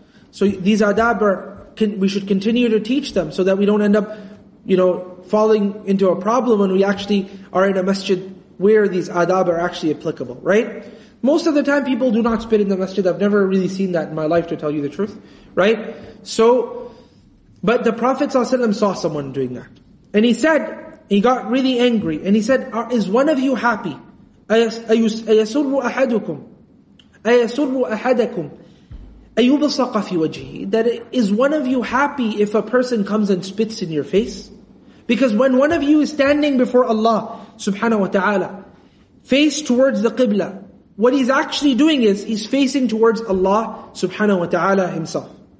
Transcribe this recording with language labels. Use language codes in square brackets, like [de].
[en] So these adab, we should continue to teach them so that we don't end up, you know, falling into a problem when we actually are in a masjid where these adab are actually applicable, right? Most of the time people do not spit in the masjid. I've never really seen that in my life, to tell you the truth, right? So, but the Prophet ﷺ saw someone doing that. And he said, he got really angry. And he said, is one of you happy? [ar] أَيَسُرُّ أَحَدُكُمْ أَيَسُرُّ أَحَدَكُمْ أَيُبَصَقَ فِي وَجْهِهِ. [en] That is one of you happy if a person comes and spits in your face? Because when one of you is standing before Allah subhanahu wa ta'ala, face towards the Qibla, what he's actually doing is, he's facing towards Allah subhanahu wa ta'ala himself.